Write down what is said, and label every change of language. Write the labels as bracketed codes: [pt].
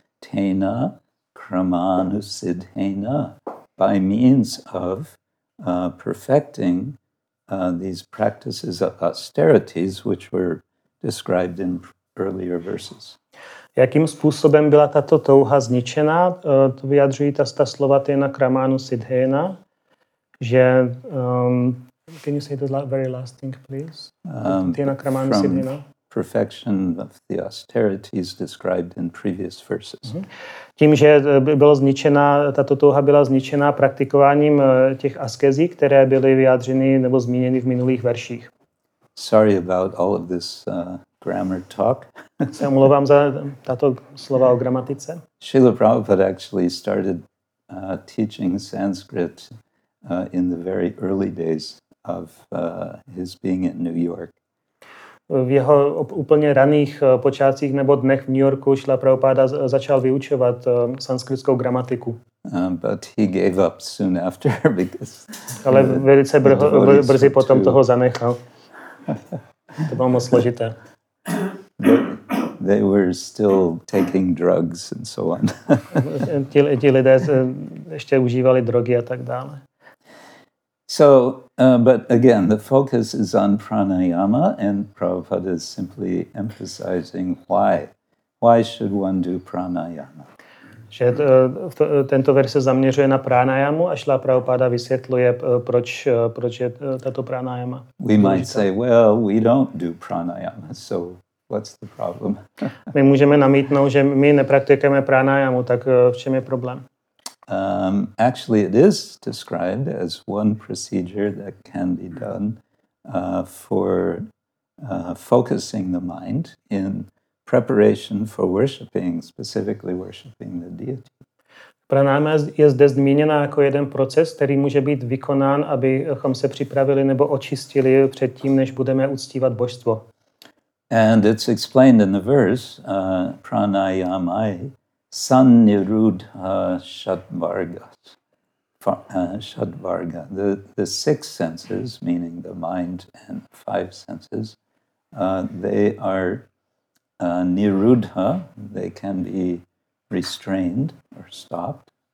[en] Tena kramanusidhena, by means of perfecting these practices of austerities, which were described in earlier verses. [cs] Jakým způsobem byla tato touha zničena? To vyjadřují ta slova Tena Kramanu Siddhena, že [en] can you say the very last thing, please? [sa] Tena Kramanu Siddhena. [en] Perfection of the austerities described in previous verses. [cs] Tím, že bylo zničena, tato touha byla zničena praktikováním těch askezí, které byly vyjádřeny nebo zmíněny v minulých verších. [en] Sorry about all of this grammar talk. [cs] Se omlouvám za tato slova o gramatice. [en] Srila Prabhupada actually started teaching Sanskrit in the very early days of his being in New York. [cs] V jeho úplně raných počátcích nebo dnech v New Yorku Srila Prabhupada začal vyučovat sanskritskou gramatiku. [en] But he gave up soon after because [cs] ale velice brzy potom toho zanechal. To bylo moc složité. [en] They were still taking drugs and so on. [cs] Ti lidé ještě užívali drogy a tak dále. [en] So, but again, the focus is on pranayama, and Prabhupada is simply emphasizing why. Why should one do pranayama? [cs] Že tento verš se zaměřuje na pranayamu a Šla Prabhupada vysvětluje, proč je tato pranayama. [en] We might say, well, we don't do pranayama, so what's the problem? [cs] My můžeme namítnout, že my nepraktikujeme pranayamu, tak v čem je problém? [en] Actually, it is described as one procedure that can be done for focusing the mind in preparation for worshiping, specifically worshiping the deity. [cs] Pranayama je zde zmíněna jako jeden proces, který může být vykonán, abychom se připravili nebo očistili před tím, než budeme uctívat božstvo. [en] And it's explained in the verse, pranayamai sannirudha shadvarga. The six senses, meaning the mind and five senses, they are nirudha, they can be restrained or stopped.